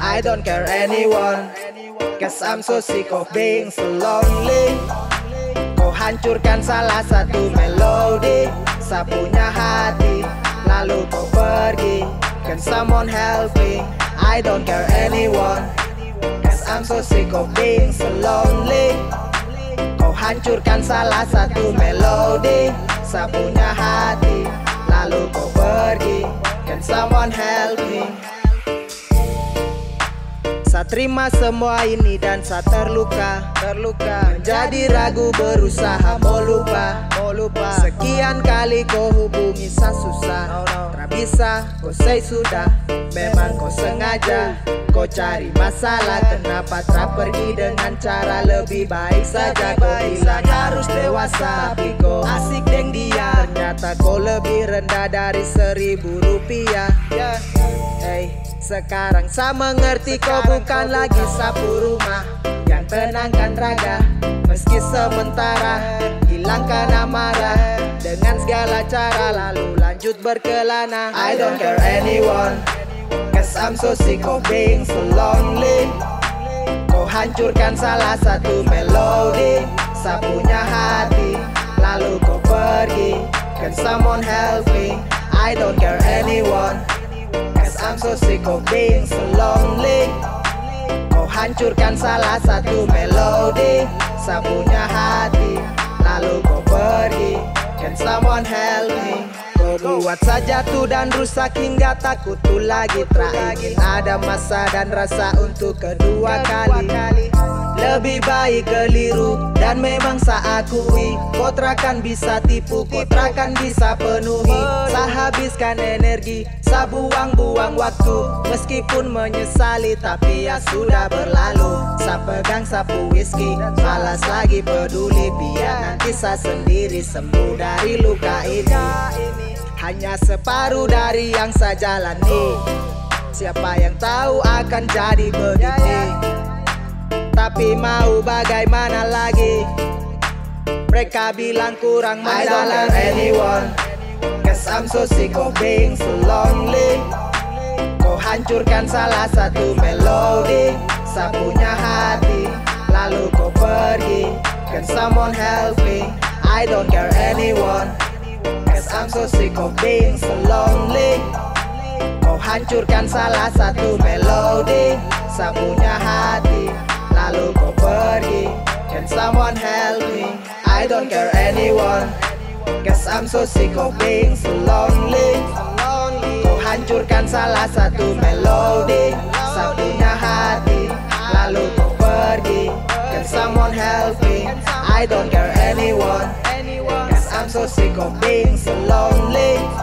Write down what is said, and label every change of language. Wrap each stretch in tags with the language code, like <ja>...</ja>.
<en>I don't care anyone, cause I'm so sick of being so lonely.</en> <id>Kau hancurkan salah satu melodi, saya punya hati, lalu kau pergi.</id> <en>Can someone help me? I don't care anyone. I'm so sick of being so lonely.</en> <id>Kau hancurkan salah satu melodi, saya punya hati, lalu kau pergi.</id> <en>Can someone help me?</en> <id>Saya terima semua ini dan saya terluka. Menjadi ragu berusaha mau lupa. Sekian kali kau hubungi saya susah, tak bisa kau say sudah. Memang kau sengaja kau cari masalah, kenapa tak pergi dengan cara lebih baik saja. Kau bilang harus dewasa tapi kau asik deng dia, ternyata kau lebih rendah dari 1000 rupiah. Hey, sekarang saya mengerti kau bukan lagi sapu rumah yang tenangkan raga. Meski sementara hilangkan amarah dengan segala cara, lalu lanjut berkelana.</id> <en>I don't care anyone, cause I'm so sick of being so lonely.</en> <id>Kau hancurkan salah satu melodi, saya punya hati, lalu kau pergi.</id> <en>Can someone help me? I don't care anyone, cause I'm so sick of being so lonely.</en> <id>Kau hancurkan salah satu melodi, saya punya hati, lalu kau pergi.</id> <en>Can someone help me?</en> <id>Buat saja tuh dan rusak hingga takut tuh lagi. Terakhir ada masa dan rasa untuk kedua kali. Lebih baik keliru dan memang saya akui, kau terakan bisa tipu, kau terakan bisa penuhi. Saya habiskan energi, saya buang-buang waktu. Meskipun menyesali tapi ya sudah berlalu. Saya pegang sapu whisky, malas lagi peduli. Biar nanti saya sendiri sembuh dari luka ini. Hanya separuh dari yang saya jalani. Siapa yang tahu akan jadi begini. Tapi mau bagaimana lagi? Mereka bilang kurang mendalam.</id> <en>I don't care anyone, cause I'm so sick of being so lonely.</en> <id>Kau hancurkan salah satu melodi, saya punya hati, lalu kau pergi.</id> <en>Can someone help me? I don't care anyone, cause I'm so sick of being so lonely.</en> <id>Kau hancurkan salah satu melodi, saya punya hati, lalu kau pergi.</id> <en>Can someone help me? I don't care anyone, cause I'm so sick of being so lonely.</en> <id>Kau hancurkan salah satu melodi, saya punya hati, lalu kau pergi.</id> <en>Can someone help me? I don't care anyone, I'm so sick of being so lonely.</en>